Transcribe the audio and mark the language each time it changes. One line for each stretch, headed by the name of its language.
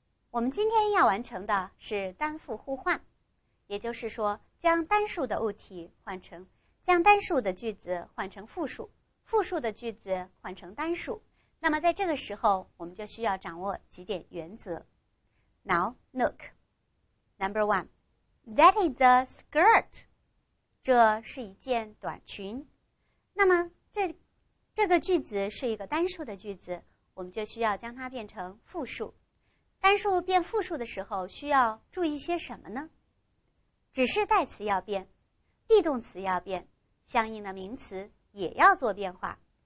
Chinese: 我们今天要完成的是单复互换，也就是说将单数的物体换成，将单数的句子换成复数，复数的句子换成单数。那么在这个时候我们就需要掌握几点原则。
English: Now look. Number one, That is a skirt.
Chinese: 这是一件短裙。那么这个句子是一个单数的句子，我们就需要将它变成复数。单数变复数的时候需要注意些什么呢？指示代词要变， be 动词要变，相应的名词也要做变化。